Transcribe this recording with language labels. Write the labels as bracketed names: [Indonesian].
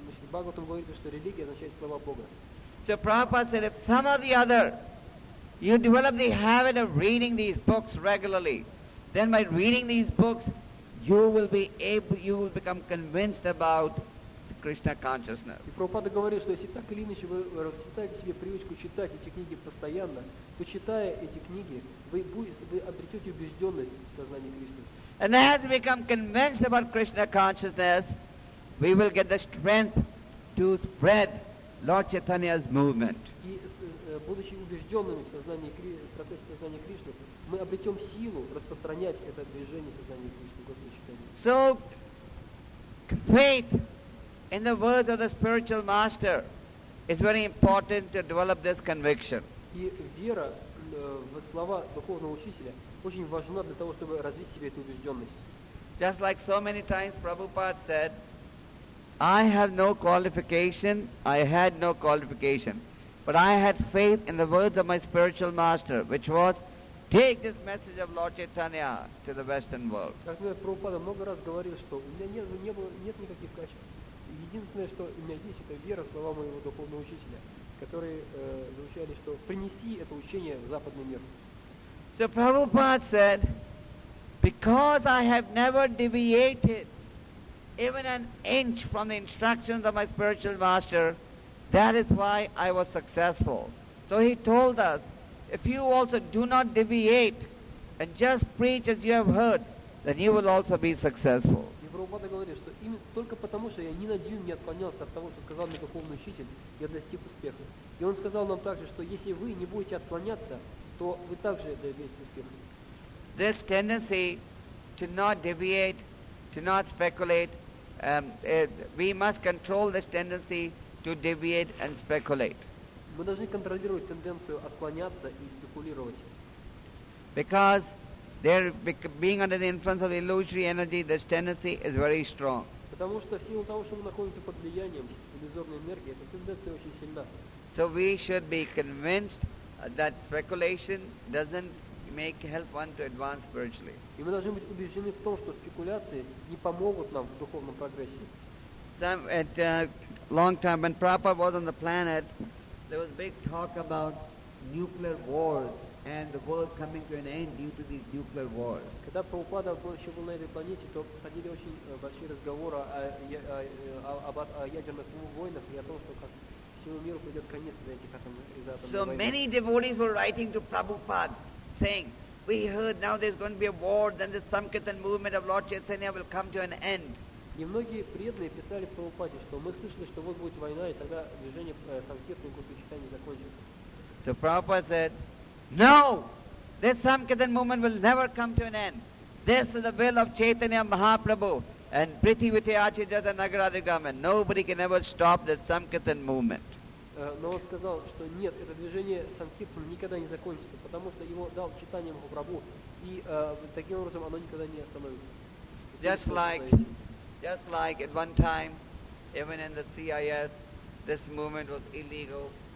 [Russian] Бхагаватам говорит, что религия означает слова Бога. [English] So Prabhupada said, if some or the other, you develop the habit of reading these books regularly, then by reading these books, you will become convinced about Krishna consciousness. [Russian] И Прабхупада говорит, что если так или иначе вы воспитаете себе привычку читать эти книги постоянно, то читая эти книги, вы обретете убежденность в сознании Кришны. [English] And as we become convinced about Krishna consciousness, we will get the strength to spread Lord Chaitanya's movement. [Russian] И будучи убежденными в сознании в процессе сознания Кришны, мы обретем силу распространять это движение сознания Кришны, Господа Чайтаньи. [English] So, faith in the words of the spiritual master is very important to develop this conviction. [Russian] И вера в слова духовного учителя очень важна для того, чтобы развить в себе эту убежденность. [English] Just like so many times Prabhupada said, I have no qualification, I had no qualification, but I had faith in the words of my spiritual master, which was, take this message of Lord Chaitanya to the Western world. [Russian] Как мне Прабхупада много раз говорил, что у меня нет никаких качеств. Единственное, что у меня есть, это вера, слова моего духовного учителя, которые звучали, что принеси это учение в западный мир. [English] So Prabhupada said, because I have never deviated even an inch from the instructions of my spiritual master, that is why I was successful. So he told us, if you also do not deviate and just preach as you have heard, then you will also be successful. [Russian] И Прабхупада говорит, что именно только потому, что я ни на дюйм не отклонялся от того, что сказал мне духовный учитель, я достиг успеха. И он сказал нам также, что если вы не будете отклоняться, то вы также добьетесь успеха. [English] This tendency to not deviate, to not speculate, we must control this tendency to deviate and speculate. [Russian] Мы должны контролировать тенденцию отклоняться и спекулировать. [English] Because there, being under the influence of illusory energy, this tendency is very strong. [Russian] Потому что в силу того, что мы находимся под влиянием иллюзорной энергии, эта тенденция очень сильна. [English] So we should be convinced that speculation doesn't make help one to advance spiritually. [Russian] И мы должны быть убеждены в том, что спекуляции не помогут нам в духовном прогрессе. [English] Some at a long time when Prabhupada was on the planet, there was big talk about nuclear wars and the world coming to an end due to these nuclear wars. [Russian] Когда Прабхупада еще был на этой планете, то ходили очень большие разговоры о ядерных войнах и о том, что как всему миру придет конец из-за этих атомных войн. [English] So many devotees were writing to Prabhupada saying, we heard now there's going to be a war, then the Sankirtan movement of Lord Chaitanya will come to an end. [Russian] И многие преданные писали Прабхупаде, что мы слышали, что вот будет война, и тогда движение Санкиртана и Гуру Чайтаньи закончится. [English] So Prabhupada said, no, this Sankirtan movement will never come to an end. This is the will of Chaitanya Mahaprabhu and [Sanskrit] Prithi Vithi Achijata Nagaradigam, [English] and nobody can ever stop the Sankirtan movement. [Russian] Но он сказал, что нет, это движение Санкиртана никогда не закончится, потому что его дал Чайтанья Махапрабху, и таким образом оно никогда не остановится. [English] Just like at one time, even in the CIS, this movement was illegal.